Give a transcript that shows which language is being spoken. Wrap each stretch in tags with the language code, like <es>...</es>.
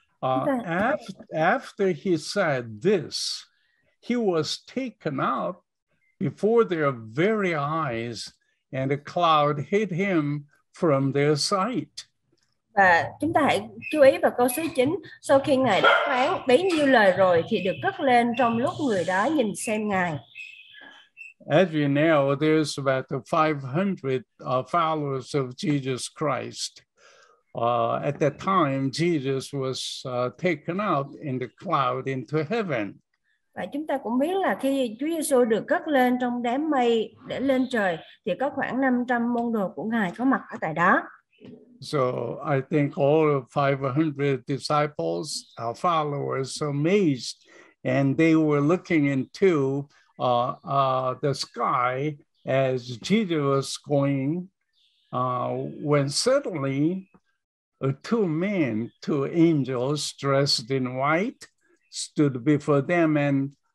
<en>After he said this, he was taken up before their very eyes, and a cloud hid him from their sight.</en> <vi>Và chúng ta hãy chú ý vào câu số 9. Sau khi Ngài đã phán bấy nhiêu lời rồi thì được cất lên trong lúc người đó nhìn xem Ngài.</vi> <en>As you know, there's about 500 followers of Jesus Christ. At that time, Jesus was taken up in the cloud into heaven.</en> <vi>Và chúng ta cũng biết là khi Chúa Giêsu được cất lên trong đám mây để lên trời, thì có khoảng 500 môn đồ của Ngài có mặt ở tại đó.</vi> <en>So I think all 500 disciples, our followers, amazed, and they were looking into the sky as Jesus was going, when suddenly two men, two angels dressed in white, stood before them, and</en>